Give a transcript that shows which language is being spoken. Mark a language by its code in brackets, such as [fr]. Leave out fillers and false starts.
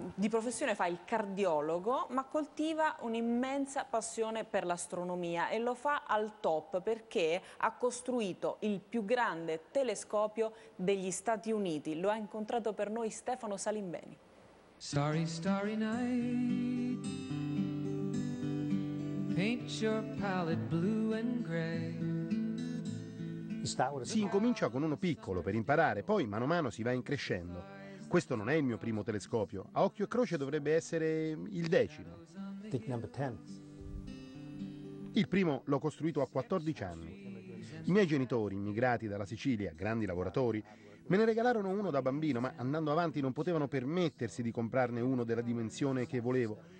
[it] Di professione fa il cardiologo, ma coltiva un'immensa passione per l'astronomia e lo fa al top perché ha costruito il più grande telescopio degli Stati Uniti. Lo ha incontrato per noi Stefano Salimbeni. [en] Starry, starry night, paint your palette blue and gray. [it] Si incomincia con uno piccolo per imparare, poi mano a mano si va increscendo. Questo non è il mio primo telescopio, a occhio e croce dovrebbe essere il decimo. Il primo l'ho costruito a 14 anni. I miei genitori, immigrati dalla Sicilia, grandi lavoratori, me ne regalarono uno da bambino, ma andando avanti non potevano permettersi di comprarne uno della dimensione che volevo.